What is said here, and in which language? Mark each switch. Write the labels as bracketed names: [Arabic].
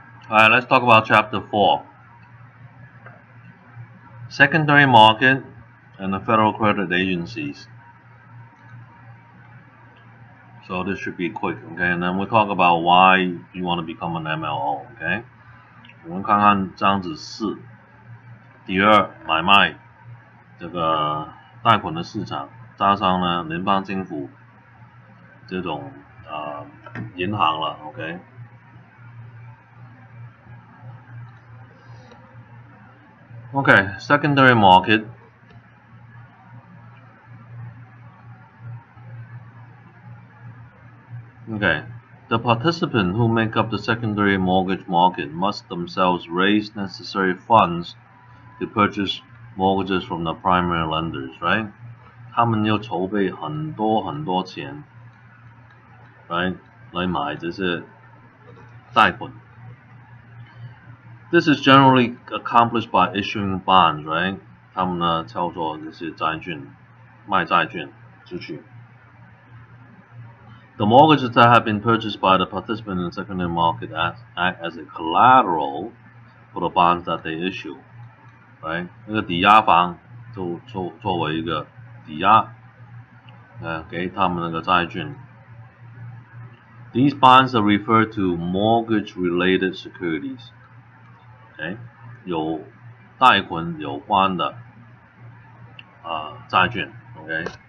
[English] Alright, let's talk about chapter 4. Secondary market and the federal credit agencies. So this should be quick, okay? And then we'll talk about why you want to become an MLO, okay? [Chinese] 我们看看章子四, 第二买卖, 这个贷款的市场, 加上呢, 联邦政府, 这种, 银行了, okay? [English] Okay, secondary market. Okay, the participants who make up the secondary mortgage market must themselves raise necessary funds to purchase mortgages from the primary lenders, right? [Chinese] 他们要筹备很多很多钱, right? 来买这些贷款. [English] This is generally accomplished by issuing bonds, right? [Chinese] 他们呢,操作这些债券,卖债券出去. [English] The mortgages that have been purchased by the participants in the secondary market act as a collateral for the bonds that they issue, right? [Chinese] 那个抵押房,作为一个抵押, 给他们那个债券. [English] These bonds are referred to mortgage-related securities. [Chinese] Okay, 有贷款有关的, 债券, okay?